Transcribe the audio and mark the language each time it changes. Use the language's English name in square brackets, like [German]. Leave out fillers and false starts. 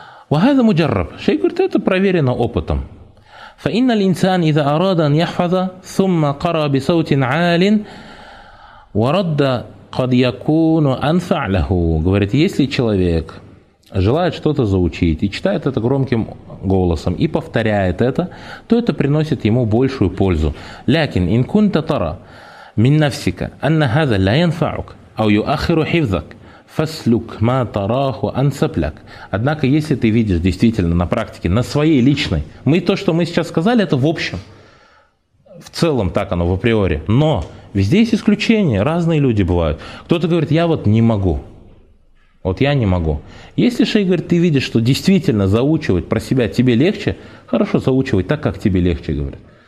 [Arabic] وَهَذَا مُجَرَّبْ [Russian] Шейх говорит, это проверено опытом. [Arabic] فَإِنَّ الْإِنسَانِ إِذَا أَرَادَ أَنْ يَحْفَظَ ثُمَّ قَرَى بِسَوْتٍ عَالٍ وَرَدَّ قَدْ يَكُونُ أَنْفَعْ لَهُ [Russian] Говорит, если человек желает что-то заучить и читает это громким голосом и повторяет это, то это приносит ему большую пользу. [Arabic] لَكِنْ إِنْ كُنْتَ تَرَى من نفسك أن هذا لا ينفعك أو يؤخر حفظك فسلك ما تراه أنسب لك. [Russian] Однако, если ты видишь действительно на практике, на своей личной, мы то, что мы сейчас сказали, это в общем, в целом так оно в априори. Но везде есть исключения, разные люди бывают. Кто-то говорит, я вот не могу. Вот я не могу. Если шейх говорит, ты видишь, что действительно заучивать про себя тебе легче, хорошо, заучивай так, как тебе легче, говорит.